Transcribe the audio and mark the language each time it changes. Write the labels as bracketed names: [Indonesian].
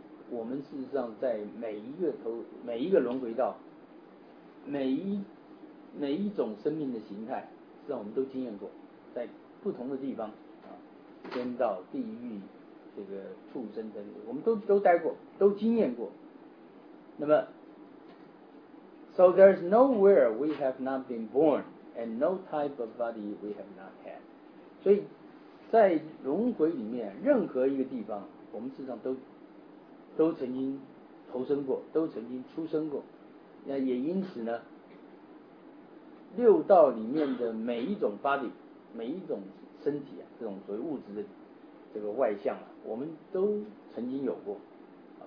[Chinese] 我们事实上在每一个轮回道，每一种生命的形态，实际上我们都经验过，在不同的地方啊，天道、地狱、这个畜生等等，我们都待过，都经验过。 [English] 那么 ，so there's nowhere we have not been born, and no type of body we have not had。 [Chinese] 所以，在轮回里面，任何一个地方，我们事实上都曾经投生过，都曾经出生过。那也因此呢，六道里面的每一种 body， 每一种身体啊，这种所谓物质的这个外相啊，我们都曾经有过啊。